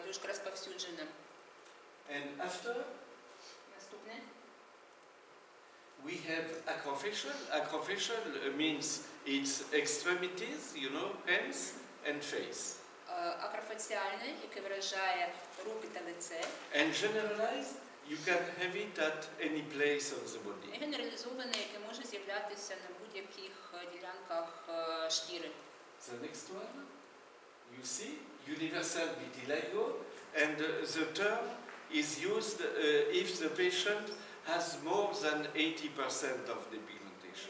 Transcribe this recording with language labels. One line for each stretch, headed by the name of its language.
English: And after, we have acrofacial. Acrofacial means its extremities, you know, hands and face.
Ukrainian: Акрофаціальне, яке виражає руки та лице.
English: And generalized, you can have it at any place of the body.
Ukrainian: Генералізоване, яке може з'являтися на будь-яких ділянках шкіри.
English: The next one, you see, universal vitiligo, and the term is used if the patient has more than 80% of the pigmentation.